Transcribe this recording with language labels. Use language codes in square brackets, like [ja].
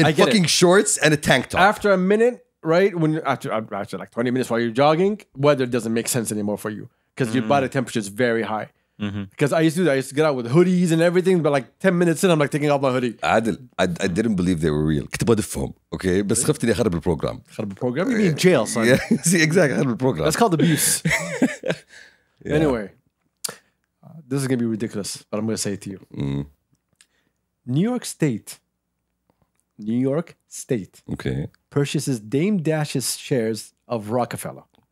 [en] In fucking shorts and a tank top. After a minute, right? When after like 20 minutes while you're jogging, weather doesn't make sense anymore for you because your body temperature is very high. Because I used to do that. I used to get out with hoodies and everything, but like 10 minutes in, I'm like taking off my hoodie. I didn't believe they were real. [ar] كتبوا دفهم, okay? بس خفت إني أخرب البروغرام. خرب البروغرام. [en] You mean jail, son? Yeah, see, exactly. [ar] خرب البروغرام. [en] That's called abuse. Anyway, this is gonna be ridiculous, but I'm gonna say it to you. New York State. Okay. Purchases Dame Dash's shares of Roc-A-Fella.